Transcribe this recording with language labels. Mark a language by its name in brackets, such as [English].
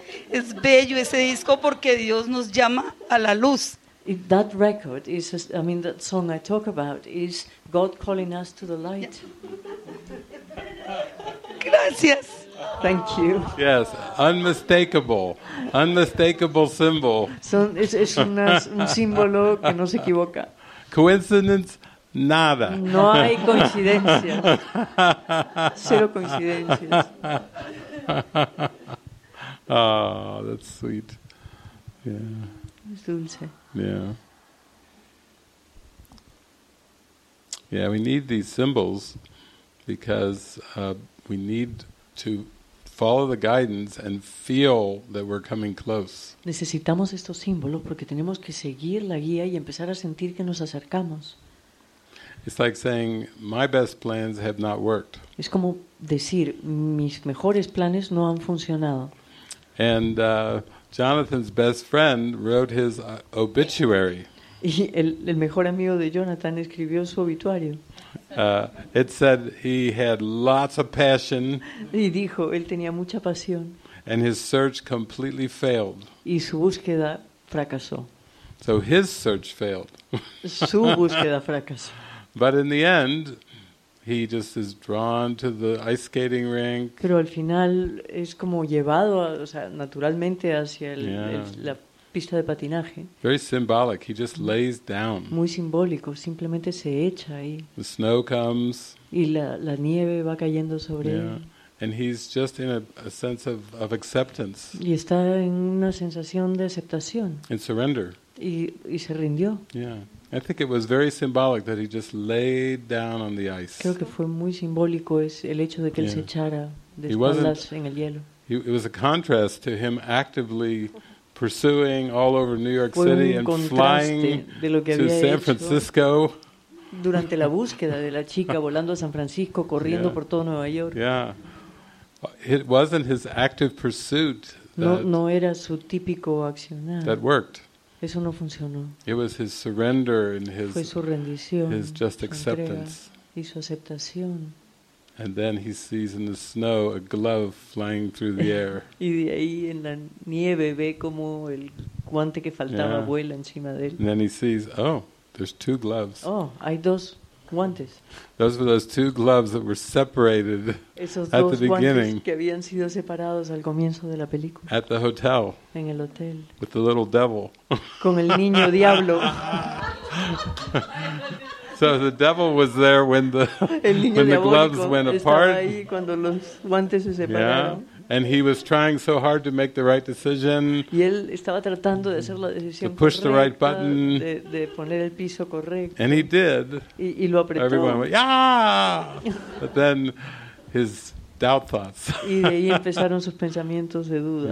[Spanish] Es bello ese disco porque Dios nos llama a la luz. [English] That record is, I mean, that song I talk about is God calling us to the light. [Spanish] Gracias. [English] Thank you. Yes, unmistakable symbol. [Spanish] So es un símbolo que no se equivoca. [English] Coincidence? [Spanish] Nada. No hay coincidencias. Cero coincidencias. [English] Oh, that's sweet. Yeah. [Spanish] Es dulce. [English] Yeah. Yeah, we need these symbols because we need to follow the guidance and feel that we're coming close. [Spanish] Necesitamos estos símbolos porque tenemos que seguir la guía y empezar a sentir que nos acercamos. [English] It's like saying my best plans have not worked. [Spanish] Es como decir mis mejores planes no han funcionado. [English] And Jonathan's best friend wrote his obituary. [Spanish] Y el mejor amigo de Jonathan escribió su obituario. [English] It said he had lots of passion. [Spanish] Y dijo, él tenía mucha pasión. [English] And his search completely failed. [Spanish] Y su búsqueda fracasó. [English] So his search failed. [Spanish] Su búsqueda fracasó. [English] But in the end, he just is drawn to the ice skating rink. [Spanish] Pero al final es como llevado, o sea, naturalmente hacia la pista de patinaje. [English] Very symbolic. He just lays down. [Spanish] Muy simbólico. Simplemente se echa ahí. [English] The snow comes. [Spanish] Y la nieve va cayendo sobre él. [English] And he's just in a sense of acceptance. [Spanish] Y está en una sensación de aceptación. [English] And surrender. [Spanish] Y se rindió. [English] Yeah. I think it was very symbolic that he just laid down on the ice. [Spanish] Creo que fue muy simbólico es el hecho de que él se echara de espaldas en el hielo. [English] It was a contrast to him actively pursuing all over New York City and flying to San Francisco. [Spanish] Durante la búsqueda de la chica volando a San Francisco, corriendo por todo Nueva York. [English] Yeah. It wasn't his active pursuit [Spanish] no era su típico accionar. [English] That worked. [Spanish] Eso no funcionó. [English] It was his surrender and his [Spanish] fue su rendición, [English] his just acceptance. [Spanish] Y su aceptación. [English] And then he sees in the snow a glove flying through the air. [Spanish] Y de ahí en la nieve ve como el guante que faltaba vuela encima de él. [English] And then he sees, oh, there's two gloves. [Spanish] Oh, hay dos guantes. [English] Those were those two gloves that were separated [Spanish] esos [English] at [Spanish] dos [English] the beginning. [Spanish] Guantes que habían sido separados al comienzo de la película. [English] At the hotel. [Spanish] En el hotel. [English] With the little devil. [Spanish] Con el niño diablo. [English] So the devil was there when the [Spanish] el niño [English] when the gloves went apart. [Spanish] Estaba ahí cuando los guantes se separaron. [English] Yeah. And he was trying so hard to make the right decision. [Spanish] Y él estaba tratando de hacer la decisión [English] to push [Spanish] correcta, [English] the right button. [Spanish] De poner el piso correcto. [English] And he did. [Spanish] Y lo apretó. [English] Everyone went, "Yeah!" But then his doubt thoughts. [Spanish] Y de ahí empezaron sus pensamientos de duda.